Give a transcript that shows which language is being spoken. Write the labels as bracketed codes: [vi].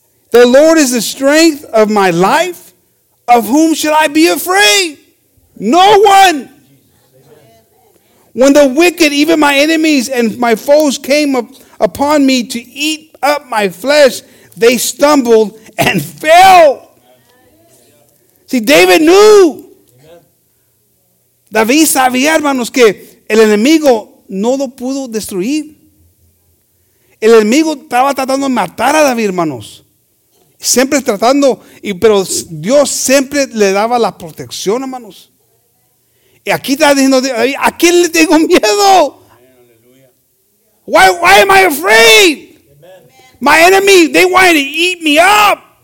[en] The Lord is the strength of my life. Of whom should I be afraid? No one. When the wicked, even my enemies and my foes, came upon me to eat up my flesh, they stumbled and fell. See, David knew. [es] David sabía, hermanos, que el enemigo no lo pudo destruir. El enemigo estaba tratando de matar a David, hermanos. Siempre tratando, pero Dios siempre le daba la protección, hermanos. Y aquí está diciendo David, ¿a quién le tengo miedo? [en] Why am I afraid? My enemy, they wanted to eat me up.